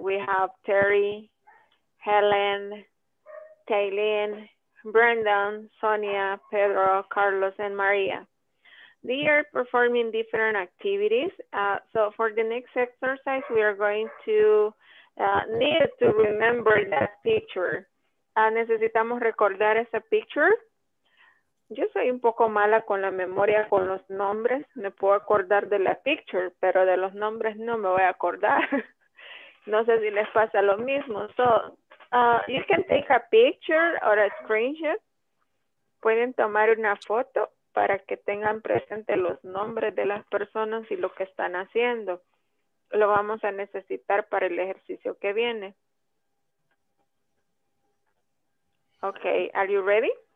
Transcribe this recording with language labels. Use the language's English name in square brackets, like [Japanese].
[English] We have Terry, Helen, Taylin, Brendan, Sonia, Pedro, Carlos, and Maria. They are performing different activities. So for the next exercise, we are going to need to remember that picture. [Spanish] Necesitamos recordar esa picture. Yo soy un poco mala con la memoria, con los nombres. Me puedo acordar de la picture, pero de los nombres no me voy a acordar. No sé si les pasa lo mismo. [English] So, you can take a picture or a screenshot. [Spanish] Pueden tomar una foto para que tengan presente los nombres de las personas y lo que están haciendo. Lo vamos a necesitar para el ejercicio que viene. [English] Okay, are you ready?